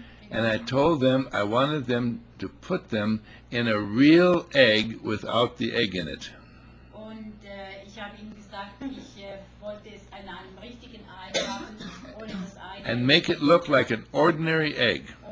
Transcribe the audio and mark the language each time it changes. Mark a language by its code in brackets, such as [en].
[en] And I told them I wanted them to put them in a real egg without the egg in it. [de] Und ich habe ihnen gesagt, ich wollte es in einem richtigen Ei haben, ohne das Ei. [en] And make it look like an ordinary egg.